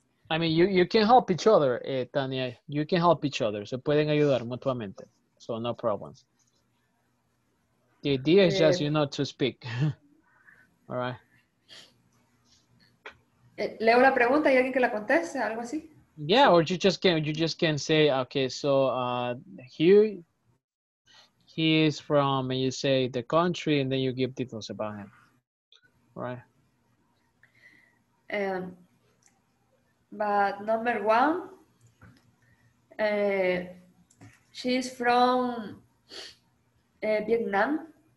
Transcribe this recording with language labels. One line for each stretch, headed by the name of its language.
English: I mean, you can help each other, Tania. You can help each other.
Spanish: Se pueden ayudar mutuamente.
English: So no problem. The idea is just, you know, to speak. All right.
Spanish: Leo la pregunta y alguien que la conteste, algo así.
English: Yeah, or you just can say, okay, so he is from, and you say the country, and then you give details about him. All right. But number one, she's from Vietnam.